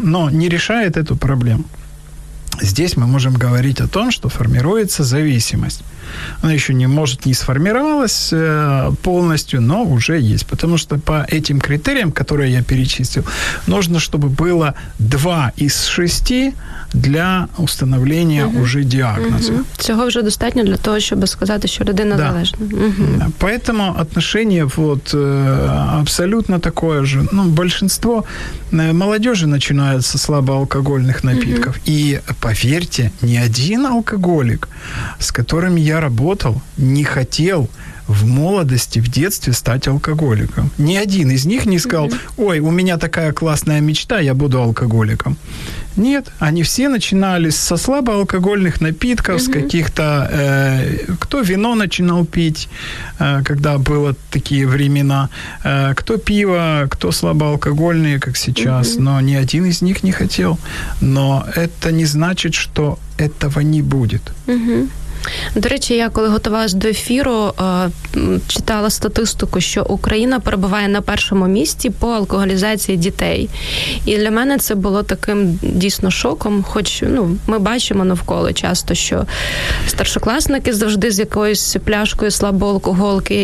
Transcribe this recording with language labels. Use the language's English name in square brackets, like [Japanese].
[Russian] Но не решает эту проблему. Здесь мы можем говорить о том, что формируется зависимость. Она еще не сформировалась полностью, но уже есть. Потому что по этим критериям, которые я перечислил, нужно, чтобы было 2 из 6 для установления уже диагноза. [Ukrainian] Цього вже достатньо для того, щоб сказати, що людина залежна. [Russian] Поэтому отношение абсолютно такое же. Большинство молодежи начинают со слабоалкогольных напитков. И поверьте, ни один алкоголик, с которым я работал, не хотел в молодости, в детстве стать алкоголиком. Ни один из них не сказал: «Ой, у меня такая классная мечта, я буду алкоголиком». Нет, они все начинали со слабоалкогольных напитков, с каких-то... кто вино начинал пить, когда было такие времена, кто пиво, кто слабоалкогольные, как сейчас, но ни один из них не хотел. Но это не значит, что этого не будет. [Ukrainian] До речі, я коли готувалась до ефіру, читала статистику, що Україна перебуває на першому місці по алкоголізації дітей. І для мене це було таким дійсно шоком, хоч ми бачимо навколо часто, що старшокласники завжди з якоюсь пляшкою слабоалкоголки.